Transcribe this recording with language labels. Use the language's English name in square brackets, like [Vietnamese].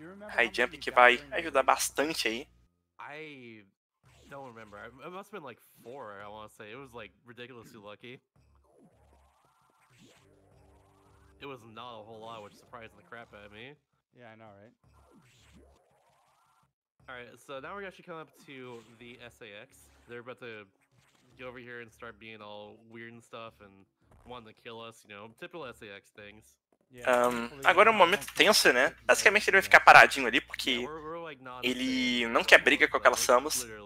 [Portuguese] High Jump que vai ajudar bastante aí. [English] I don't remember. It must have been like 4, I want to say. It was like ridiculously lucky. It was not a whole lot, which surprised the crap out of me. Yeah, I know, right? Alright, so now we're actually coming up to the SAX. They're about to go over here and start being all weird and stuff and wanting to kill us, you know, typical SAX things. [Portuguese] Agora é um momento tenso, né? Basicamente ele vai ficar paradinho ali porque ele não quer briga com aquela Samus.